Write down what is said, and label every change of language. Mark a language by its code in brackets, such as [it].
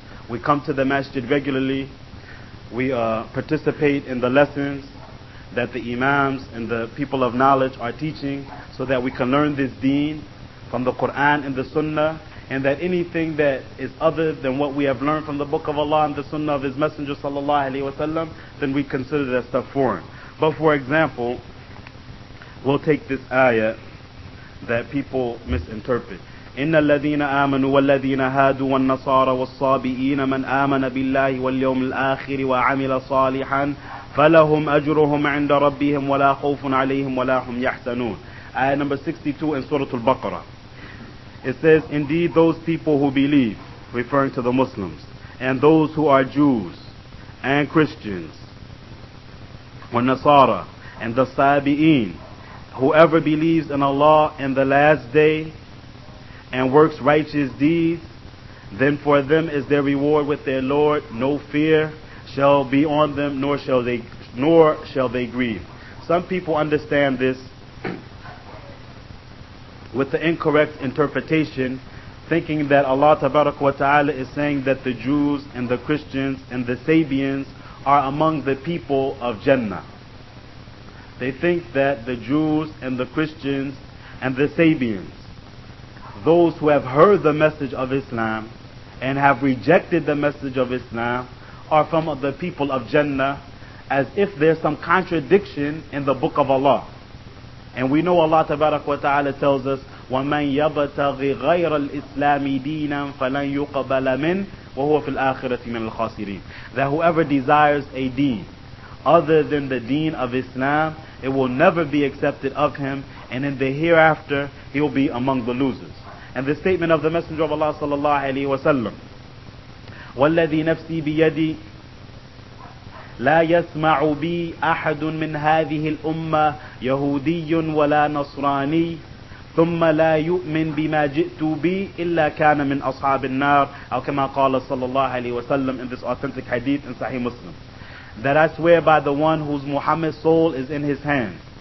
[en] We come to the masjid regularly. We participate in the lessons that the imams and the people of knowledge are teaching, so that we can learn this deen from the Quran and the sunnah, and that anything that is other than what we have learned from the book of Allah and the sunnah of his messenger sallallahu alaihi wasallam, then we consider that stuff foreign. But for example, we'll take this ayah that people misinterpret. [ar] إن الذين آمنوا والذين هادوا والنصارى والصابئين من آمن بالله واليوم الآخر وعمل صالحا فلهم أجرهم عند ربهم ولا خوف عليهم ولا هم يحزنون. [en] Ayah number 62 in Surah Al-Baqarah. It says, indeed those people who believe, referring to the Muslims, and those who are Jews and Christians, والنصارى, and the Sabi'een, whoever believes in Allah in the last day and works righteous deeds, then for them is their reward with their Lord. No fear shall be on them, nor shall they grieve. Some people understand this with the incorrect interpretation, thinking that Allah Tabaraka wa Ta'ala is saying that the Jews and the Christians and the Sabians are among the people of Jannah. They think that the Jews and the Christians and the Sabians, those who have heard the message of Islam and have rejected the message of Islam, are from the people of Jannah, as if there's some contradiction in the book of Allah. And we know Allah Tabaraka wa Ta'ala tells us, [ar] وَمَنْ يَبْتَغِ غَيْرَ الْإِسْلَامِ دِينًا فَلَنْ يُقَبَلَ مِنْ وَهُوَ فِي الْآخِرَةِ مِنْ الْخَاسِرِينَ. [en] That whoever desires a deen other than the deen of Islam, it will never be accepted of him, and in the hereafter he will be among the losers. And the statement of the Messenger of Allah sallallahu alayhi wa sallam, [ar] وَالَّذِي نَفْسِي بِيَدِي لَا يَسْمَعُ بِي أَحَدٌ مِّنْ هَذِهِ الْأُمَّةِ يَهُودِيٌ وَلَا نَصْرَانِي ثُمَّ لَا يُؤْمِن بِمَا جِئْتُ بِي إِلَّا كَانَ مِنْ أَصْحَابِ النَّارِ أو كما قال صلى الله عليه وسلم [en] in this authentic hadith in Sahih Muslim, that I swear by the one whose Muhammad's soul is in his hands,